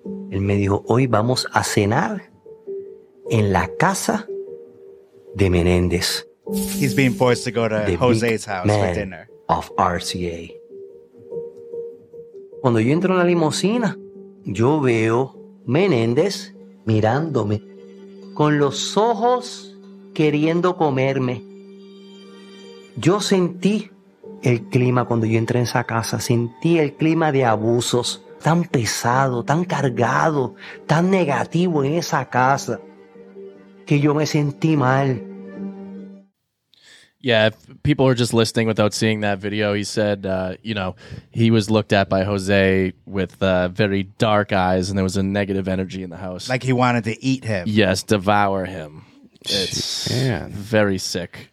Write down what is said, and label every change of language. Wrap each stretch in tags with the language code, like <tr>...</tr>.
<es>Él me dijo, hoy vamos a cenar en la casa de Menéndez.</es> <en>He's being forced to go to the Jose's house man for dinner. Of RCA.</en> <es>Cuando yo entro en la limusina, yo veo Menéndez mirándome con los ojos queriendo comerme. Yo sentí el clima cuando yo entré en esa casa, sentí el clima de abusos, tan pesado, tan cargado, tan negativo en esa casa, que yo me sentí mal.</es> <en>Yeah, if people are just listening without seeing that video, he said, you know, he was looked at by Jose with very dark eyes, and there was a negative energy in the house. Like he wanted to eat him. Yes, devour him. It's very sick.</en>